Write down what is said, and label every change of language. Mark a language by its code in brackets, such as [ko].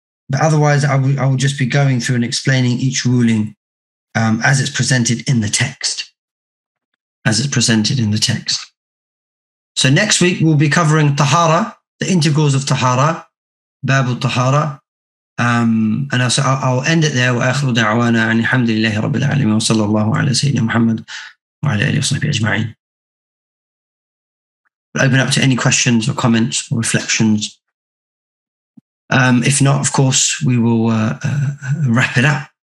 [en] But otherwise, I will just be going through and explaining each ruling as it's presented in the text. As it's presented in the text. So next week, we'll be covering tahara, the integrals of tahara, باب الطهارة. [ar] أنا سأو [en] end it there [ar] وآخر دعوانا عن الحمد لله رب العالمين وصلى الله على سيدنا محمد وعلى آله وصحبه أجمعين. [en] We'll open up to any questions or comments or reflections. If not, of course, we will wrap it up.